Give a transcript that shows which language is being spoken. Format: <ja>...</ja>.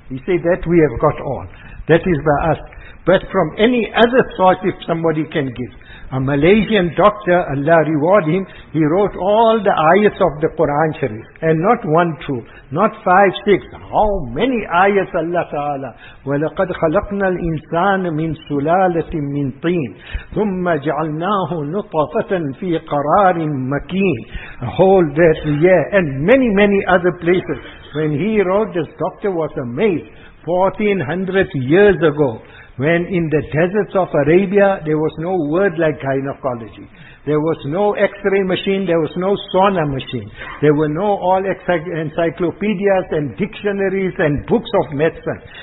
<en>He said that we have got all. That is by us. But from any other source, if somebody can give. A Malaysian doctor, Allah reward him, he wrote all the ayats of the Quran Sharif. And not one, two, not five, six. How many ayats Allah Ta'ala?</en> <ar>وَلَقَدْ خَلَقْنَا الْإِنسَانَ مِنْ سُلَالَةٍ مِنْ طِينٍ ثُمَّ جَعَلْنَاهُ نُطَفَةً فِي قَرَارٍ مَكِينٍ.</ar> <en>A whole that year. And many, many other places. When he wrote, this doctor was amazed. 1400 years ago, when in the deserts of Arabia, there was no word like gynecology. There was no X-ray machine, there was no sauna machine. There were no all encyclopedias and dictionaries and books of medicine.</en>